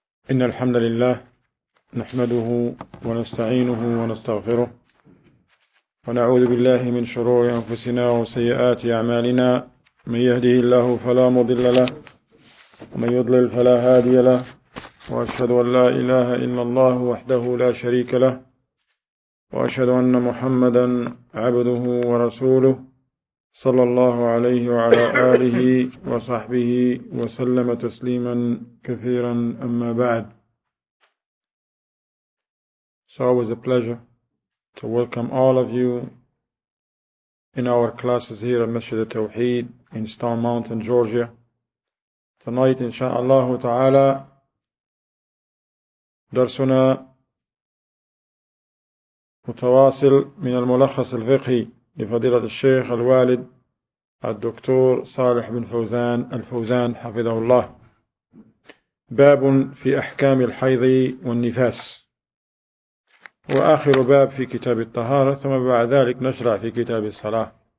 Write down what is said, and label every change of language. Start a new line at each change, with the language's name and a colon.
Arabic: إن الحمد لله نحمده ونستعينه ونستغفره ونعوذ بالله من شرور أنفسنا وسيئات أعمالنا، من يهده الله فلا مضل له ومن يضلل فلا هادي له، وأشهد أن لا إله إلا الله وحده لا شريك له، وأشهد أن محمدا عبده ورسوله صلى الله عليه وعلى آله وصحبه وسلم تسليما كثيرا. أما بعد،
English: it's always a pleasure to welcome all of you in our classes here at Masjid al-Tawheed in Stone Mountain, Georgia. Tonight,
Arabic: inshallah ta'ala, درسنا متواصل من الملخص الفقهي لفضيلة الشيخ الوالد الدكتور صالح بن فوزان الفوزان حفظه الله، باب في أحكام الحيض والنفاس، وآخر باب في كتاب الطهارة، ثم بعد ذلك نشرع في كتاب الصلاة.